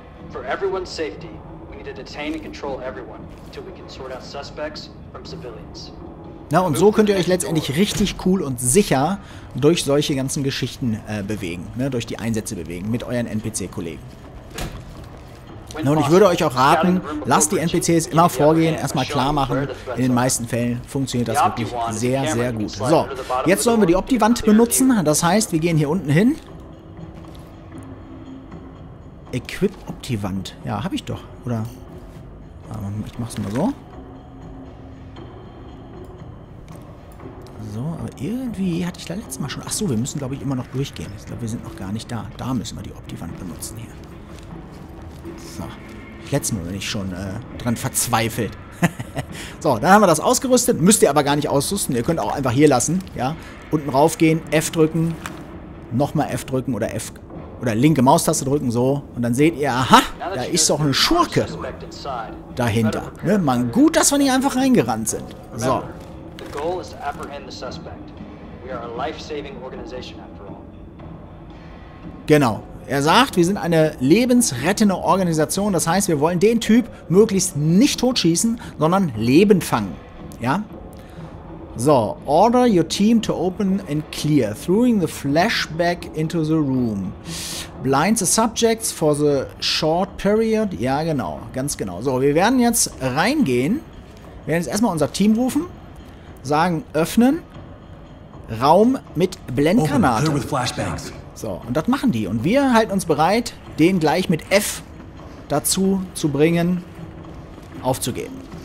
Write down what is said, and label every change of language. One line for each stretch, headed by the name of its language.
English: For everyone's safety, we need to detain and control everyone, until we can sort out suspects from civilians.
German: Na, und so könnt ihr euch letztendlich richtig cool und sicher durch solche ganzen Geschichten bewegen, ne, durch die Einsätze bewegen mit euren NPC-Kollegen. Na, und ich würde euch auch raten, lasst die NPCs immer vorgehen, erstmal klar machen. In den meisten Fällen funktioniert das wirklich sehr, sehr gut. So, jetzt sollen wir die Opti-Wand benutzen. Das heißt, wir gehen hier unten hin. Equip Opti-Wand. Ja, habe ich doch. Oder ich mach's mal so. So, aber irgendwie hatte ich da letztes Mal schon... Achso, wir müssen, glaube ich, immer noch durchgehen. Ich glaube, wir sind noch gar nicht da. Da müssen wir die Opti-Wand benutzen hier. So, letztes Mal bin ich schon dran verzweifelt. So, dann haben wir das ausgerüstet. Müsst ihr aber gar nicht ausrüsten. Ihr könnt auch einfach hier lassen, ja. Unten raufgehen, F drücken. Nochmal F drücken oder F... Oder linke Maustaste drücken, so. Und dann seht ihr, aha, da ist doch eine Schurke dahinter. Ne? Mann, gut, dass wir nicht einfach reingerannt sind. So.
English: Goal is to apprehend the suspect. We are a life-saving organization after all.
German: Genau. Er sagt, wir sind eine lebensrettende Organisation. Das heißt, wir wollen den Typ möglichst nicht totschießen, sondern Leben fangen. Ja? So.
English: Order your team to open and clear. Throwing the flashback into the room. Blind the subjects for the short period.
German: Ja, genau. Ganz genau. So, wir werden jetzt reingehen. Wir werden jetzt erstmal unser Team rufen. Sagen, öffnen, Raum mit Blendgranate. So, und das machen die. Und wir halten uns bereit, den gleich mit F dazu zu bringen, aufzugeben.